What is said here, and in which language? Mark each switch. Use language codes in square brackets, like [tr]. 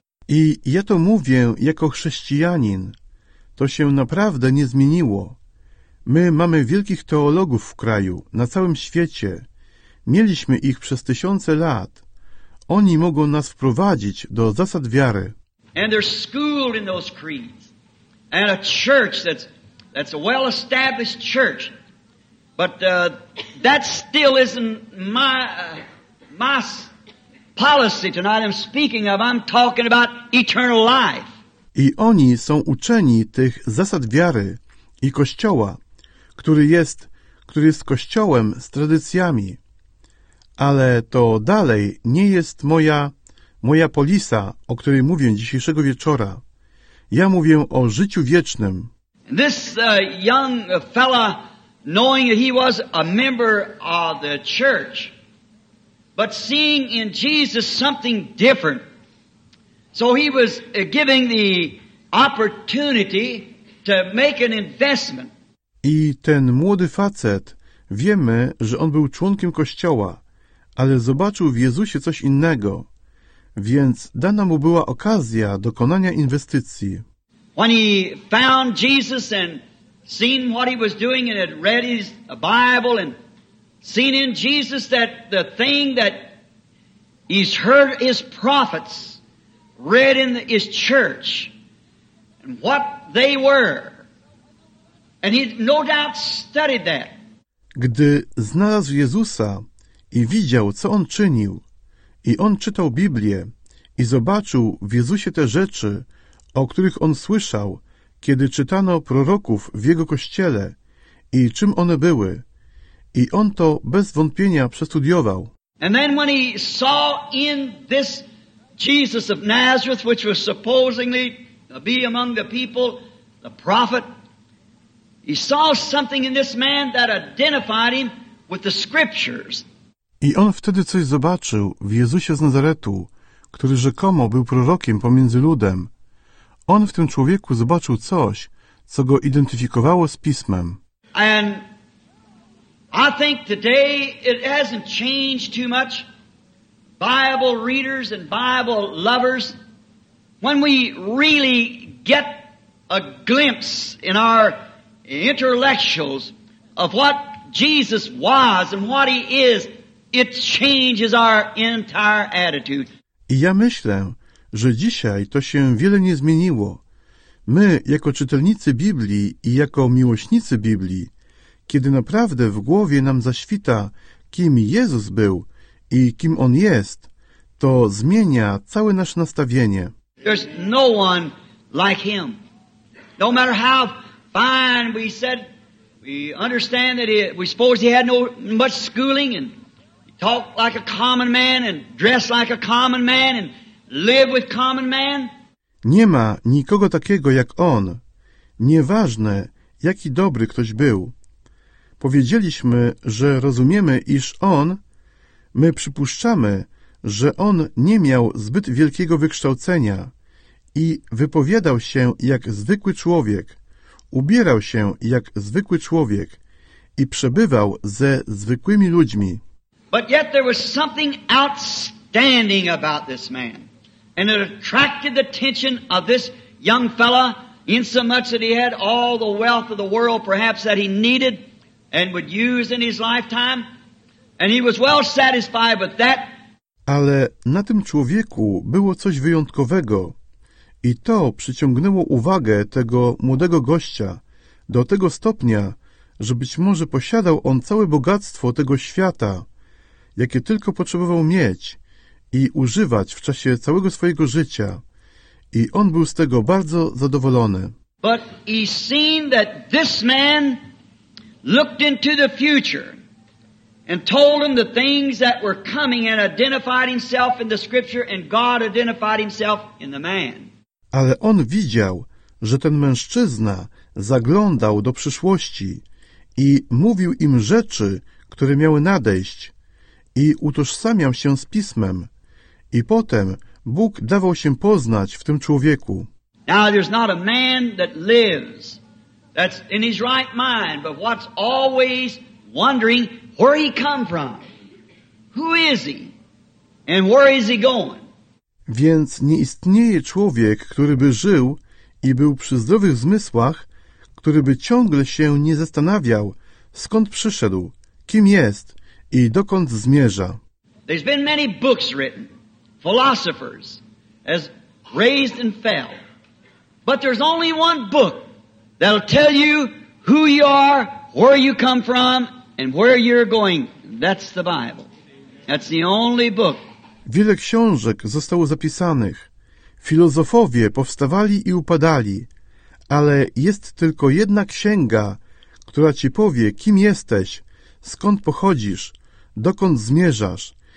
[pl] I ja to mówię jako chrześcijanin. To się naprawdę nie zmieniło. My mamy wielkich teologów w kraju, na całym świecie. Mieliśmy ich przez tysiące lat. Oni mogą nas wprowadzić do zasad wiary. [en] And they're schooled in those creeds. And a church that's a well-established church. But that still isn't my policy tonight I'm speaking of. I'm talking about eternal life. [pl] I oni są uczeni tych zasad wiary i Kościoła, który jest Kościołem z tradycjami. Ale to dalej nie jest moja polisa, o której mówię dzisiejszego wieczora. Ja mówię o życiu wiecznym. [en] This young fella, knowing that he was a member of the church, but seeing in Jesus something different, so he was giving the opportunity to make an investment. [pl] I ten młody facet, wiemy, że on był członkiem Kościoła, ale zobaczył w Jezusie coś innego, więc dana mu była okazja dokonania inwestycji. [en] When he found Jesus and seen what he was doing and had read his Bible and seen in Jesus that the thing that he's heard his prophets read in his church and what they were. And he no doubt studied that. [pl] Gdy znalazł Jezusa i widział, co on czynił, i on czytał Biblię, i zobaczył w Jezusie te rzeczy, o których on słyszał, kiedy czytano proroków w jego kościele i czym one były. I on to bez wątpienia przestudiował. [en] And then when he saw in this Jesus of Nazareth, which was supposedly to be among the people, the prophet, he saw something in this man that identified him with the scriptures. [pl] I on wtedy coś zobaczył w Jezusie z Nazaretu, który rzekomo był prorokiem pomiędzy ludem. On w tym człowieku zobaczył coś, co go identyfikowało z Pismem. [en] And I think today it hasn't changed too much. Bible readers and Bible lovers, when we really get a glimpse in our intellectuals of what Jesus was and what he is, it changes our entire attitude. [pl] I ja myślę, że dzisiaj to się wiele nie zmieniło. My, jako czytelnicy Biblii i jako miłośnicy Biblii, kiedy naprawdę w głowie nam zaświta, kim Jezus był i kim On jest, to zmienia całe nasze nastawienie. [en] There's no one like Him. No matter how fine we said, we understand that we suppose He had no much schooling and talk like a common man and dress like a common man and live with common man. [pl] Nie ma nikogo takiego jak on. Nieważne, jaki dobry ktoś był. Powiedzieliśmy, że rozumiemy, iż on, my przypuszczamy, że on nie miał zbyt wielkiego wykształcenia i wypowiadał się jak zwykły człowiek, ubierał się jak zwykły człowiek i przebywał ze zwykłymi ludźmi. [en] But yet there was something outstanding about this man. And it attracted the attention of this young fella insomuch that he had all the wealth of the world perhaps that he needed and would use in his lifetime. And he was well satisfied with that. [pl] Ale na tym człowieku było coś wyjątkowego. I to przyciągnęło uwagę tego młodego gościa do tego stopnia, że być może posiadał on całe bogactwo tego świata, jakie tylko potrzebował mieć i używać w czasie całego swojego życia. I on był z tego bardzo zadowolony. [en] But he seen that this man looked into the future and told him the things that were coming and identified himself in the scripture and God identified himself in the man. [pl] Ale on widział, że ten mężczyzna zaglądał do przyszłości i mówił im rzeczy, które miały nadejść, i utożsamiał się z Pismem. I potem Bóg dawał się poznać w tym człowieku. [en] Now there's not a man that lives that's in his right mind, but what's always wondering where he come from. Who is he? And where is he going? [pl] Więc nie istnieje człowiek, który by żył i był przy zdrowych zmysłach, który by ciągle się nie zastanawiał, skąd przyszedł, kim jest i dokąd zmierza. [en] There's been many books written, philosophers, as raised and fell. But there's only one book that'll tell you who you are, where you come from, and where you're going. That's the Bible. That's the only book. [pl] Wiele książek zostało zapisanych. Filozofowie powstawali i upadali. Ale jest tylko jedna księga, która ci powie, kim jesteś, skąd pochodzisz, dokąd zmierzasz.